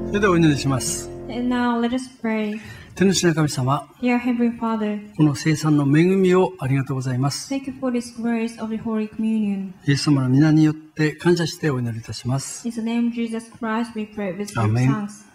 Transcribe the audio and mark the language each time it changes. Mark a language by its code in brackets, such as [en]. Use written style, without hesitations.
[ja] お祈りします。 [en] And now, let us pray. [ja] 天の神様、 [en] Dear Heavenly Father, [ja] この聖餐の恵みをありがとうございます。 [en] Thank you for this grace of the Holy Communion. [ja] イエス様の御名によって感謝してお祈りいたします。 [en] In the name of Jesus Christ, we pray with great thanks.